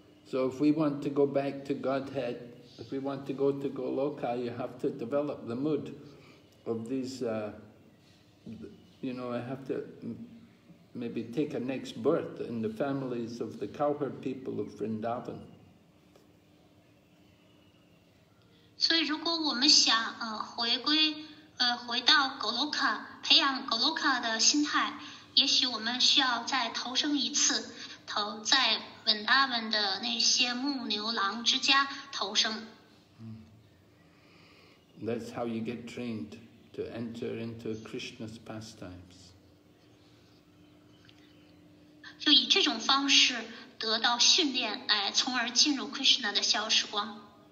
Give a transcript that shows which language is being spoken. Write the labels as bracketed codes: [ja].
[en] So if we want to go back to Godhead, if we want to go to Goloka, you have to develop the mood of these. You know, I have to maybe take a next birth in the families of the cowherd people of Vrindavan. [zh] 所以如果我们想回归回到格鲁卡，培养格鲁卡的心态，也许我们需要再投生一次，投在文达文的那些牧牛郎之家投生。 [en] That's how you get trained to enter into Krishna's pastimes. [zh] 就以这种方式得到训练，来从而进入 Krishna 的消时光。